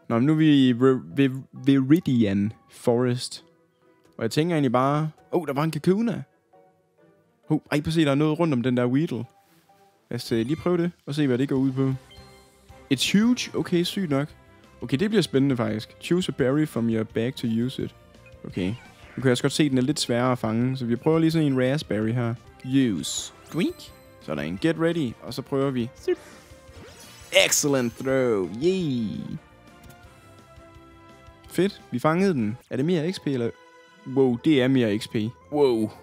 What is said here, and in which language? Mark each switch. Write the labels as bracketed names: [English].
[Danish] Nå, men nu er vi i Viridian Forest. Og jeg tænker egentlig bare... der var en Kakuna. Ej, prøv at se, der er noget rundt om den der Weedle. Lad os lige prøve det og se, hvad det går ud på. [English] It's huge. [Danish] Okay, sygt nok. Okay, det bliver spændende faktisk. [English] Choose a berry from your bag to use it. Okay. [Danish] Nu kan jeg også godt se, at den er lidt sværere at fange. Så vi prøver lige sådan en raspberry her. Use. Quink. Så er der en get ready. Og så prøver vi. Zip. [English] Excellent throw. Yay. [Danish] Fedt. Vi fangede den. Er det mere XP eller? Wow, det er mere XP. Wow.